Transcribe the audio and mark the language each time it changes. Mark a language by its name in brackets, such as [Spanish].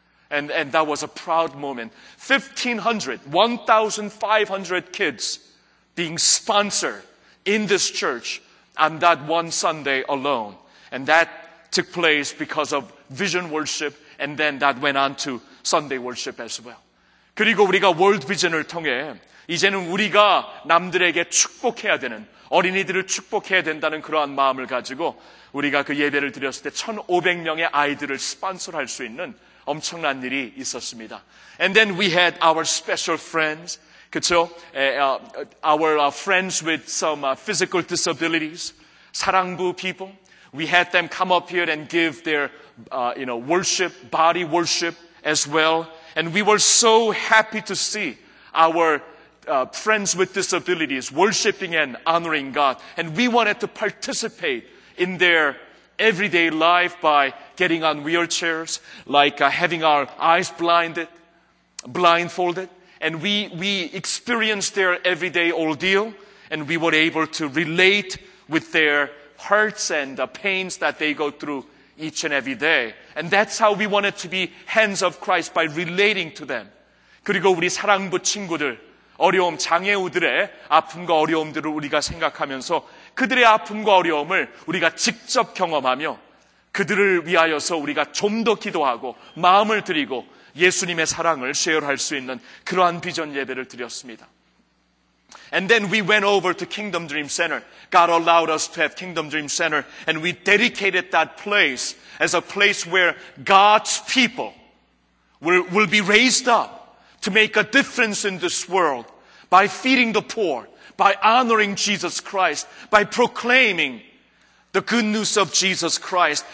[English] And that was a proud moment. 1,500 kids being sponsored in this church on that one Sunday alone. And that took place because of vision worship, and then that went on to Sunday worship as well. [Korean] 그리고 우리가 World Vision을 통해 이제는 우리가 남들에게 축복해야 되는 어린이들을 축복해야 된다는 그러한 마음을 가지고 우리가 그 예배를 드렸을 때 1,500명의 아이들을 스폰서할 수 있는 엄청난 일이 있었습니다. [English] And then we had our special friends, [Korean] 그쵸? [English] Our friends with some physical disabilities, 사랑부 people. We had them come up here and give their, you know, worship, body worship as well. And we were so happy to see our friends with disabilities worshiping and honoring God. And we wanted to participate in their everyday life by getting on wheelchairs, like having our eyes blindfolded. And we experienced their everyday ordeal, and we were able to relate with their hurts and the pains that they go through each and every day. And that's how we wanted to be hands of Christ, by relating to them. [Korean] 그리고 우리 사랑부 친구들, 어려움, 장애우들의 아픔과 어려움들을 우리가 생각하면서 그들의 아픔과 어려움을 우리가 직접 경험하며 그들을 위하여서 우리가 좀 더 기도하고 마음을 드리고 예수님의 사랑을 쉐어할 수 있는 그러한 비전 예배를 드렸습니다. [English] And then we went over to Kingdom Dream Center. God allowed us to have Kingdom Dream Center, and we dedicated that place as a place where God's people will be raised up to make a difference in this world by feeding the poor, by honoring Jesus Christ, by proclaiming the good news of Jesus Christ.